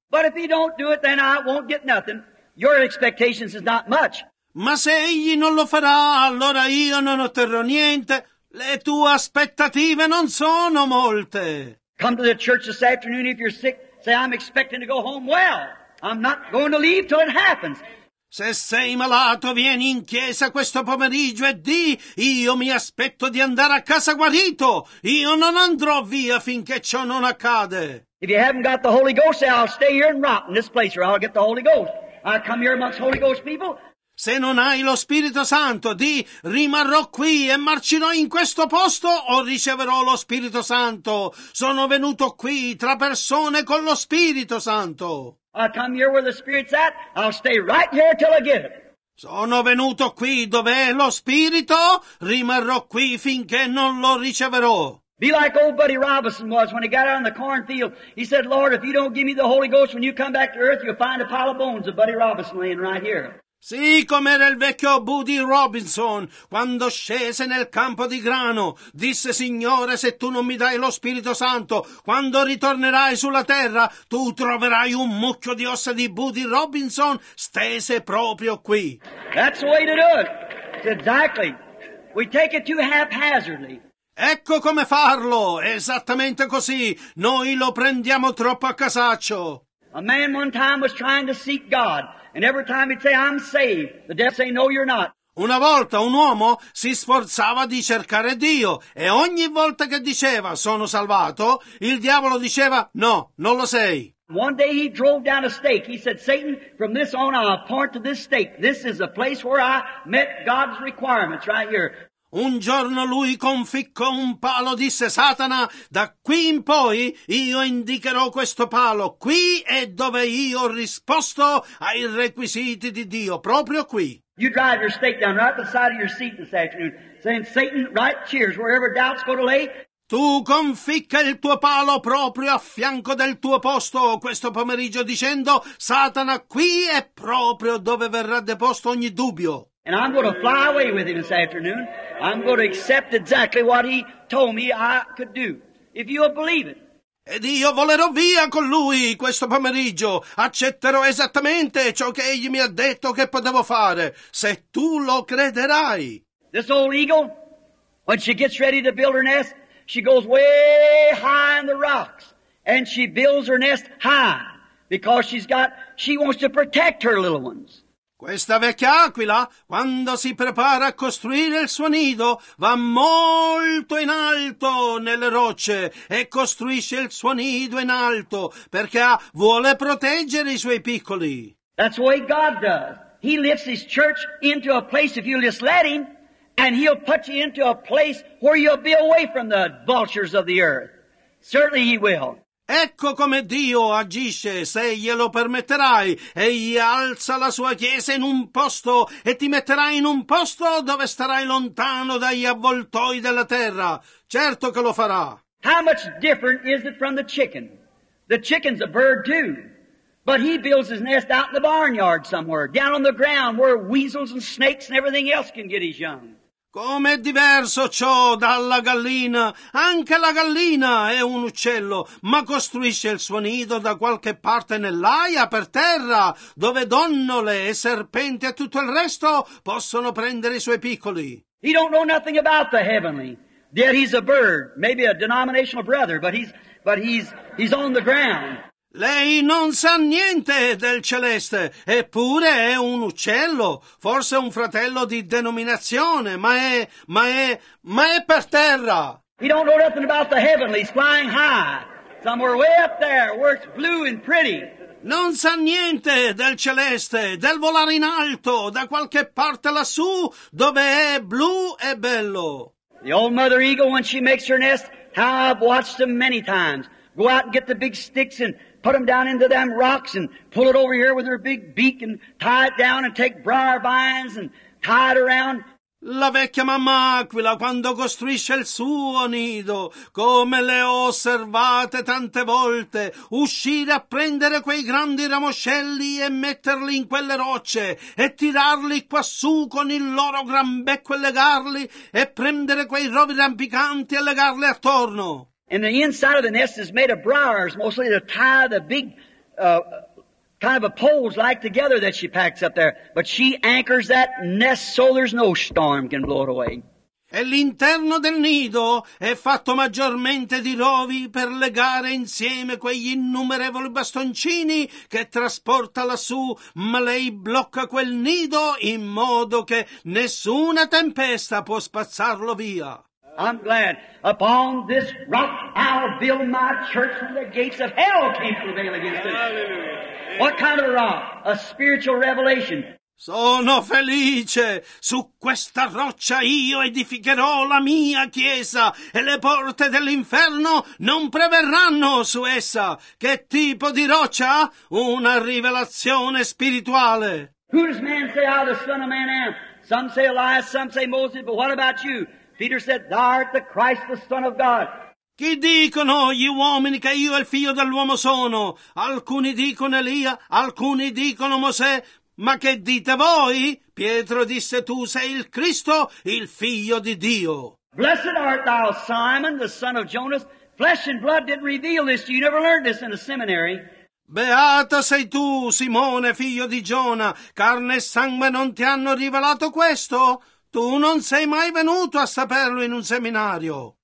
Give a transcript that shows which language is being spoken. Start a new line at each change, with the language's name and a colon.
English: But if he don't do it, then I won't get nothing. Your expectations is not much.
Italian: Ma se egli non lo farà, allora io non otterrò niente. Le tue aspettative non sono molte.
English: Come to the church this afternoon if you're sick. Say, I'm expecting to go home well. I'm not going to leave till it happens.
Italian: Se sei malato, vieni in chiesa questo pomeriggio e di, io mi aspetto di andare a casa guarito. Io non andrò via finché ciò non accade.
English: If you haven't got the Holy Ghost, say, I'll stay here and rot in this place or I'll get the Holy Ghost. I come here amongst Holy Ghost people.
Italian: Se non hai lo Spirito Santo, di, rimarrò qui e marcirò in questo posto o riceverò lo Spirito Santo. Sono venuto qui tra persone con lo Spirito Santo.
English: I come here where the Spirit's at, I'll stay right here till I get it.
Italian: Sono venuto qui dove è lo Spirito, rimarrò qui finché non lo riceverò.
English: Be like old Buddy Robinson was when he got out in the cornfield. He said, Lord, if you don't give me the Holy Ghost when you come back to earth, you'll find a pile of bones of Buddy Robinson laying right here.
Italian: Sì, come era il vecchio Buddy Robinson, quando scese nel campo di grano, disse, Signore, se tu non mi dai lo Spirito Santo, quando ritornerai sulla terra, tu troverai un mucchio di ossa di Buddy Robinson stese proprio qui.
English: That's the way to do it. Exactly. We take it too haphazardly.
Italian: Ecco come farlo, esattamente così. Noi lo prendiamo troppo a casaccio.
English: A man one time was trying to seek God, and every time he'd say, "I'm saved," the devil say, "No, you're not."
Italian: Una volta un uomo si sforzava di cercare Dio, e ogni volta che diceva, "Sono salvato," il diavolo diceva, "No, non lo sei."
English: One day he drove down a stake. He said, "Satan, from this on I'll point to this stake. This is the place where I met God's requirements right here."
Italian: Un giorno lui conficcò un palo, disse, "Satana, da qui in poi io indicherò questo palo. Qui è dove io ho risposto ai requisiti di Dio, proprio qui."
English: You drive your stake down right beside your seat this afternoon, saying, "Satan, right cheers, wherever doubts go to lay."
Italian: Tu conficca il tuo palo proprio a fianco del tuo posto questo pomeriggio dicendo, "Satana, qui è proprio dove verrà deposto ogni dubbio."
English: And I'm going to fly away with him this afternoon. I'm going to accept exactly what he told me I could do. If you believe it.
Italian: Ed io volerò via con lui questo pomeriggio. Accetterò esattamente ciò che egli mi ha detto che potevo fare, se tu lo crederai.
English: This old eagle, when she gets ready to build her nest, she goes way high in the rocks. And she builds her nest high because she wants to protect her little ones.
Italian: Questa vecchia aquila, quando si prepara a costruire il suo nido, va molto in alto nelle rocce e costruisce il suo nido in alto perché vuole proteggere i suoi piccoli.
English: That's the way God does. He lifts his church into a place if you just let him, and he'll put you into a place where you'll be away from the vultures of the earth. Certainly he will.
Italian: Ecco come Dio agisce, se glielo permetterai. Egli alza la sua chiesa in un posto e ti metterà in un posto dove starai lontano dagli avvoltoi della terra. Certo che lo farà.
English: How much different is it from the chicken? The chicken's a bird too. But he builds his nest out in the barnyard somewhere, down on the ground where weasels and snakes and everything else can get his young.
Italian: Com'è diverso ciò dalla gallina? Anche la gallina è un uccello, ma costruisce il suo nido da qualche parte nell'aia, per terra, dove donnole e serpenti e tutto il resto possono prendere i suoi piccoli.
English: He don't know nothing about the heavenly, yet he's a bird, maybe a denominational brother, but he's on the ground.
Italian: Lei non sa niente del celeste, eppure è un uccello, forse un fratello di denominazione, ma è per terra.
English: He don't know nothing about the heavenly, he's flying high, somewhere way up there, where it's blue and pretty.
Italian: Non sa niente del celeste, del volare in alto, da qualche parte lassù, dove è blu e bello.
English: The old mother eagle, when she makes her nest, how I've watched them many times, go out and get the big sticks and put them down into them rocks and pull it over here with her big beak and tie it down and take briar vines and tie it around.
Italian: La vecchia mamma aquila, quando costruisce il suo nido, come le ho osservate tante volte, uscire a prendere quei grandi ramoscelli e metterli in quelle rocce e tirarli quassù con il loro gran becco e legarli e prendere quei rovi rampicanti e legarli attorno.
English: And the inside of the nest is made of briars, mostly to tie the big kind of a poles like together that she packs up there. But she anchors that nest so there's no storm can blow it away.
Italian: E l'interno del nido è fatto maggiormente di rovi per legare insieme quegli innumerevoli bastoncini che trasporta lassù, ma lei blocca quel nido in modo che nessuna tempesta può spazzarlo via.
English: I'm glad. Upon this rock I'll build my church and the gates of hell can't prevail against it. Hallelujah. What kind of a rock? A spiritual revelation.
Italian: Sono felice. Su questa roccia io edificherò la mia chiesa e le porte dell'inferno non preverranno su essa. Che tipo di roccia? Una rivelazione spirituale.
English: Who does man say I, the Son of Man, am? Some say Elias, some say Moses, but what about you? Peter said, "Thou art the Christ, the Son of God."
Italian: Chi dicono gli uomini che io il figlio dell'uomo sono? Alcuni dicono Elia, alcuni dicono Mosè. Ma che dite voi? Pietro disse, "Tu sei il Cristo, il figlio di Dio."
English: Blessed art thou, Simon, the son of Jonas. Flesh and blood didn't reveal this. You never learned this in a seminary.
Italian: Beata sei tu, Simone, figlio di Giona. Carne e sangue non ti hanno rivelato questo. Tu non sei mai venuto a saperlo in un seminario.